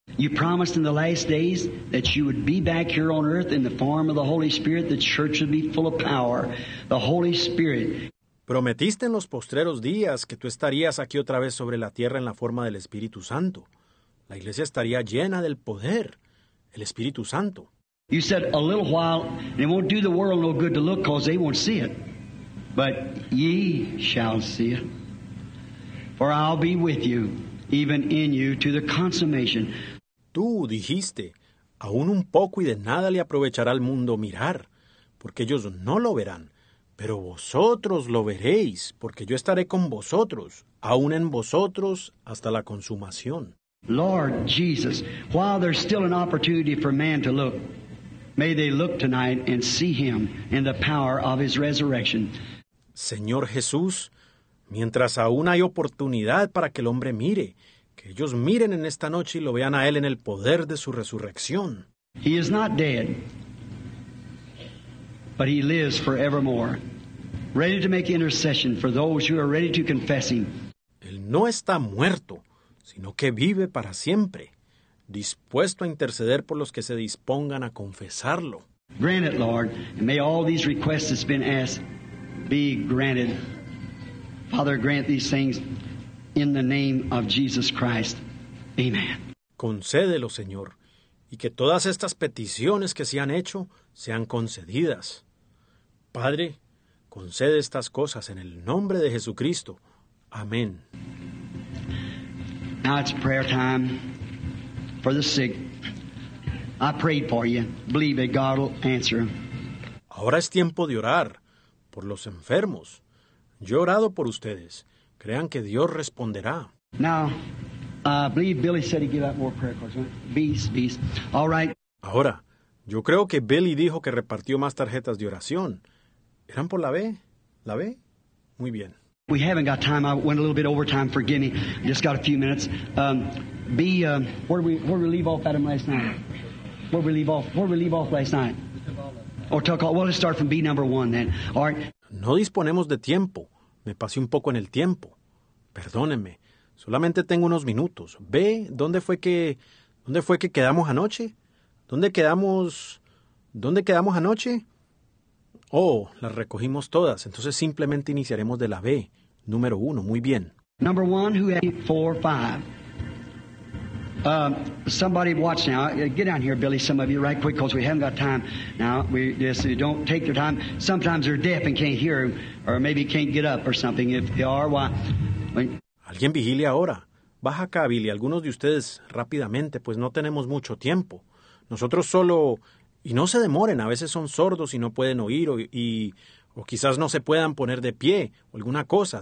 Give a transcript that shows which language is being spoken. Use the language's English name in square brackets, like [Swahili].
[English] You promised in the last days that you would be back here on earth in the form of the Holy Spirit, the church would be full of power, the Holy Spirit. [Spanish] Prometiste en los postreros días que tú estarías aquí otra vez sobre la tierra en la forma del Espíritu Santo. La iglesia estaría llena del poder, el Espíritu Santo. [English] You said a little while, and it won't do the world no good to look because they won't see it. But ye shall see it. For I'll be with you, even in you, to the consummation. [Spanish] Tú dijiste, aún un poco y de nada le aprovechará al mundo mirar, porque ellos no lo verán. Pero vosotros lo veréis, porque yo estaré con vosotros, aún en vosotros, hasta la consumación. [English] Lord Jesus, while there's still an opportunity for man to look, may they look tonight and see him in the power of his resurrection. [Spanish] Señor Jesús, mientras aún hay oportunidad para que el hombre mire, que ellos miren en esta noche y lo vean a él en el poder de su resurrección. [English] He is not dead, but he lives forevermore, ready to make intercession for those who are ready to confess him. [Spanish] Él no está muerto, sino que vive para siempre, dispuesto a interceder por los que se dispongan a confesarlo. [English] Grant it, Lord, and may all these requests that's been asked be granted. Father, grant these things in the name of Jesus Christ. Amen. [Spanish] Concédelo, Señor, y que todas estas peticiones que se han hecho sean concedidas. Padre, concede estas cosas en el nombre de Jesucristo. Amén. [English] Now it's prayer time. For the sick, I prayed for you. Believe that God will answer. [Spanish] Ahora es tiempo de orar por los enfermos. Yo he orado por ustedes. Crean que Dios responderá. [English] Now, I believe Billy said he'd give out more prayer cards. Beast. All right. [Spanish] Ahora, yo creo que Billy dijo que repartió más tarjetas de oración. ¿Eran por la B? ¿La B? Muy bien. [English] We haven't got time. I went a little bit over time. Forgive me. Just got a few minutes. Where we leave off at him last night? Where we leave off last night? Or talk all. Well, let's start from B number one then. All right. [Spanish] No disponemos de tiempo. Me pasé un poco en el tiempo. Perdóneme. Solamente tengo unos minutos. Ve, ¿dónde fue que quedamos anoche? ¿Dónde quedamos anoche? Oh, las recogimos todas. Entonces simplemente iniciaremos de la B. Número uno. Muy bien. [English] Number one, who had 4, 5. Somebody watch now. Get down here, Billy, some of you, right quick, because we haven't got time. Now, don't take your time. Sometimes they're deaf and can't hear, or maybe can't get up or something. If they are, why? [Spanish] Alguien vigile ahora. Baja acá, Billy. Algunos de ustedes, rápidamente, pues no tenemos mucho tiempo. Nosotros solo... Y no se demoren, a veces son sordos y no pueden oír o quizás no se puedan poner de pie o alguna cosa.